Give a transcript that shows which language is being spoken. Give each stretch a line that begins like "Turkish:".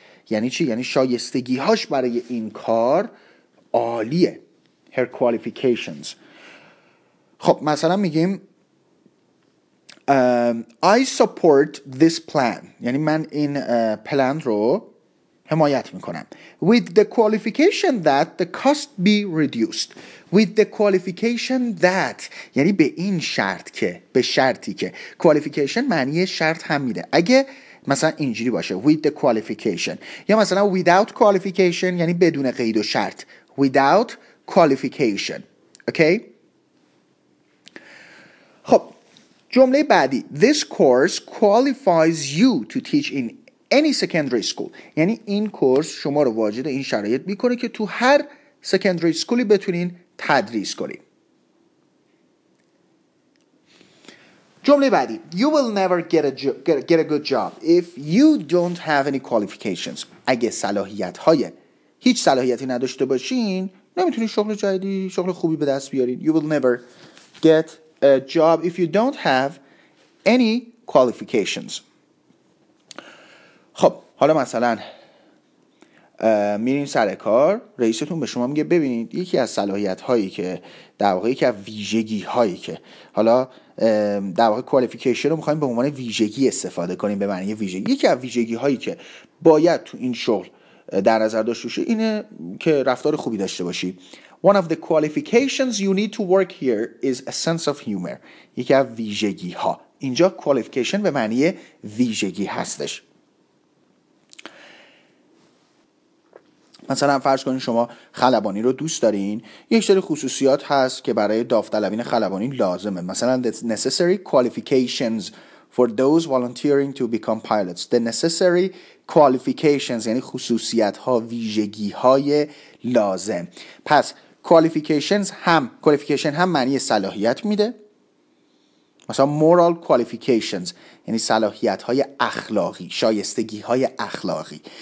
Persian: یعنی چی؟ یعنی شایستگی هاش برای این کار عالیه.
English: Her qualifications.
Persian: خب مثلا میگیم
English: I support this plan.
Persian: یعنی من این پلان رو حمایت میکنم.
English: With the qualification that the cost be reduced. With the qualification that.
Persian: یعنی به این شرط که، به شرطی که. Qualification معنی شرط هم میده. اگه مثلا اینجوری باشه with the qualification، یا مثلا without qualification یعنی بدون قید و شرط.
English: Without qualification. Okay.
Persian: خب جمله بعدی
English: this course qualifies you to teach in any secondary school.
Persian: یعنی این کورس شما رو واجد این شرایط میکنه که تو هر secondary schoolی بتونین تدریس کنین. جمله بعدی
English: You will never get a good job if you don't have any qualifications.
Persian: اگه صلاحیت های هیچ صلاحیتی نداشته باشین نمیتونی شغل جدی شغل خوبی به دست بیارین.
English: You will never get a job if you don't have any qualifications.
Persian: خب حالا مثلا میرین سر کار، رئیستون به شما میگه ببینید یکی از صلاحیت هایی که در واقع یکی از ویژگی هایی که حالا در واقع کوالیفیکیشن رو میخواییم به عنوان ویژگی استفاده کنیم، به معنی ویژگی، یکی از ویژگی هایی که باید تو این شغل در نظر داشته باشی اینه که رفتار خوبی داشته باشی.
English: One of the qualifications you need to work here is a sense of humor.
Persian: یکی از ویژگی ها، اینجا qualification به معنی ویژگی هستش. مثلا فرض کنین شما خلبانی رو دوست دارین، یک سری خصوصیات هست که برای داوطلبین خلبانی لازمه. مثلا
English: the necessary qualifications for those volunteering to become pilots. The necessary qualifications
Persian: یعنی خصوصیت ها، ویژگی های لازم. پس qualification هم معنی صلاحیت میده. مثلا moral qualifications یعنی صلاحیت های اخلاقی، شایستگی های اخلاقی.